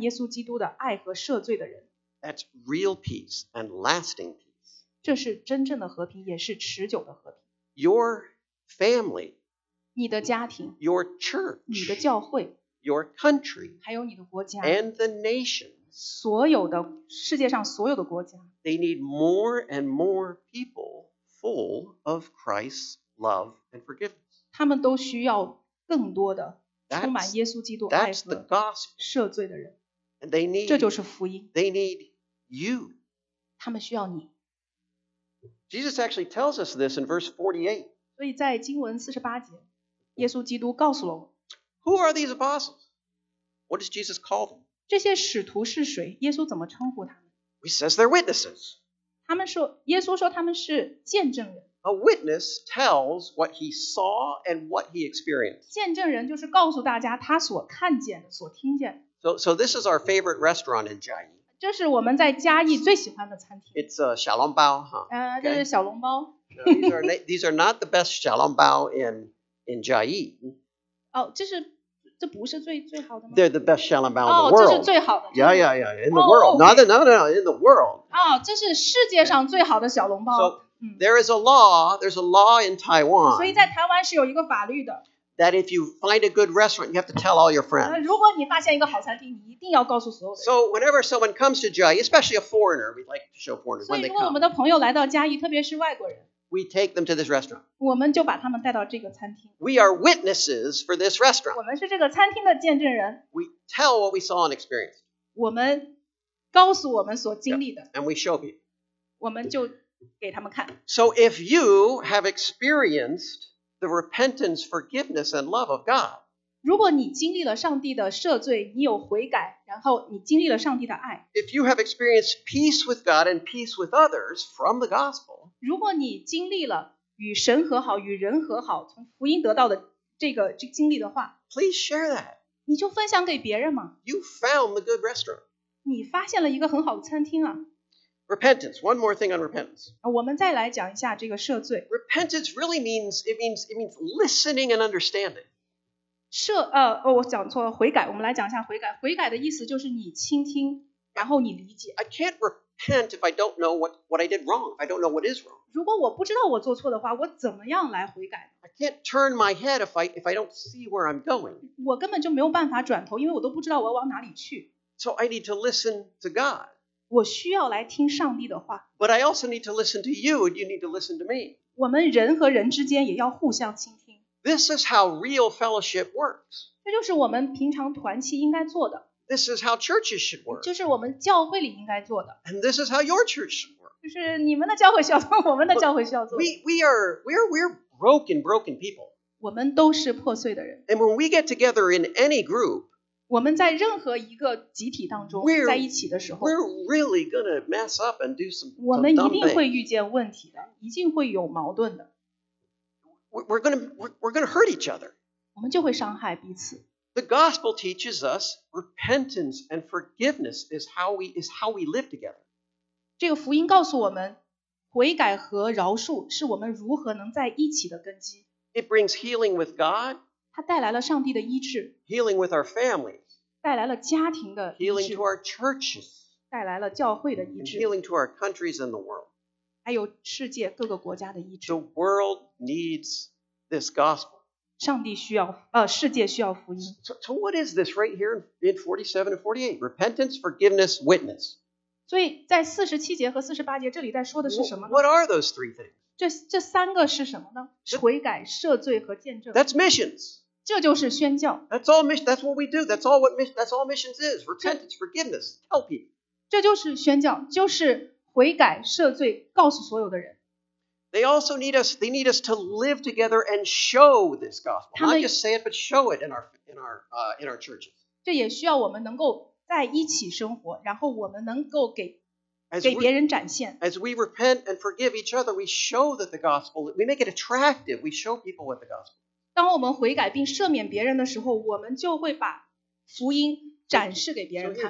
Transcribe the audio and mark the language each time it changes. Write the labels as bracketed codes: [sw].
[zh] 世界需要充满更多的充满耶稣基督的爱和赦罪的人。 [en] That's real peace and lasting peace. [zh] 这是真正的和平, 也是持久的和平。 [en] Your family, [zh] 你的家庭, [en] your church, [zh] 你的教会, [en] your country, [zh] 还有你的国家, [en] and the nations, [zh] 所有的, 世界上所有的国家, [en] they need more and more people full of Christ's love and forgiveness. [zh] 他们都需要更多的, 充满耶稣基督爱和赦罪的人。 [en] And they need, [zh] 这就是福音, [en] they need you. [zh] 他们需要你。 [en] Jesus actually tells us this in verse 48. [zh] 所以在经文48节, 耶稣基督告诉了我们, [en] who are these apostles? What does Jesus call them? [zh] 这些使徒是谁?耶稣怎么称呼他们? [en] He says they're witnesses. [zh] 他们说, 耶稣说他们是见证人。 [en] A witness tells what he saw and what he experienced. [zh] 见证人就是告诉大家他所看见的,所听见的。 [en] So this is our favorite restaurant in Jiayi. [zh] 这是我们在嘉义最喜欢的餐厅。 [en] It's a xiaolongbao, huh? [zh] 这是小笼包。 [en] No, these are not the best xiaolongbao in Jiayi. [zh] 这不是最好的吗? [en] They're the best xiaolongbao in the world. [zh] 这是最好的。 [en] Yeah, in the world. No, in the world. [zh] 这是世界上最好的小笼包。 [en] So, There is a law, there's a law in Taiwan. [zh] 所以在台湾是有一个法律的。 [en] That if you find a good restaurant, you have to tell all your friends. [zh] 如果你发现一个好餐厅，你一定要告诉所有人。 [en] So whenever someone comes to Jiayi, especially a foreigner, we like to show foreigners when they come. [zh] 所以如果我们的朋友来到嘉义，特别是外国人。 [en] We take them to this restaurant. [zh] 我们就把他们带到这个餐厅。 [en] We are witnesses for this restaurant. [zh] 我们是这个餐厅的见证人。 [en] We tell what we saw and experienced. [zh] 我们告诉我们所经历的。 [en] And we show people. [zh] 我们就给他们看。 [en] So if you have experienced the repentance, forgiveness, and love of God, [zh] 如果你经历了上帝的赦罪，你有悔改，然后你经历了上帝的爱。 [en] If you have experienced peace with God and peace with others from the gospel, [zh] 如果你经历了与神和好、与人和好、从福音得到的这经历的话 [en] ，Please share that. [zh] 你就分享给别人嘛。 [en] You found the good restaurant. [zh] 你发现了一个很好的餐厅啊。 [en] Repentance. One more thing on repentance. [zh] 我们再来讲一下这个赦罪。 [en] Repentance really means it means listening and understanding. [zh] 我讲错了，悔改。我们来讲一下悔改。悔改的意思就是你倾听，然后你理解。 [en] I can't if I don't know what I did wrong, if I don't know what is wrong. [zh] 如果我不知道我做错的话，我怎么样来悔改？ [en] I can't turn my head if I don't see where I'm going. [zh] 我根本就没有办法转头，因为我都不知道我要往哪里去。 [en] So I need to listen to God. [zh] 我需要来听上帝的话。 [en] But I also need to listen to you, and you need to listen to me. [zh] 我们人和人之间也要互相倾听。 [en] This is how real fellowship works. [zh] 这就是我们平常团契应该做的。 [en] This is how churches should work. [zh] 就是我们教会里应该做的。 [en] And this is how your church should work. [zh] 就是你们的教会需要做，我们的教会需要做。 [en] We are broken people. [zh] 我们都是破碎的人。 [en] And when we get together in any group, [zh] 我们在任何一个集体当中在一起的时候， [en] we're really gonna mess up and do some dumb things. [zh] 我们一定会遇见问题的，一定会有矛盾的。 [en] We're gonna hurt each other. [zh] 我们就会伤害彼此。 [en] The gospel teaches us repentance and forgiveness is how we live together. [zh] 这个福音告诉我们，悔改和饶恕是我们如何能在一起的根基。 [en] It brings healing with God. [zh] 它带来了上帝的医治。 [en] Healing with our families. [zh] 带来了家庭的医治。 [en] Healing to our churches. [zh] 带来了教会的医治。 [en] And healing to our countries and the world. [zh] 还有世界各个国家的医治。 [en] The world needs this gospel. [zh] 上帝需要，世界需要福音。 [en] So what is this right here in 47 and 48? Repentance, forgiveness, witness. [zh] 所以在47节和48节这里在说的是什么呢？ [en] What are those three things? [zh] 这三个是什么呢？悔改、赦罪和见证。 [en] That's missions. [zh] 这就是宣教。 [en] That's what we do. That's all missions is. Repentance, forgiveness, tell people. [zh] 这就是宣教，就是悔改、赦罪，告诉所有的人。 [en] They also need us. They need us to live together and show this gospel. Not just say it, but show it in our churches. [zh] 这也需要我们能够在一起生活，然后我们能够给别人展现。 [en] As we repent and forgive each other, we show that the gospel. We make it attractive. We show people what the gospel. [zh] 当我们悔改并赦免别人的时候，我们就会把福音展示给别人看。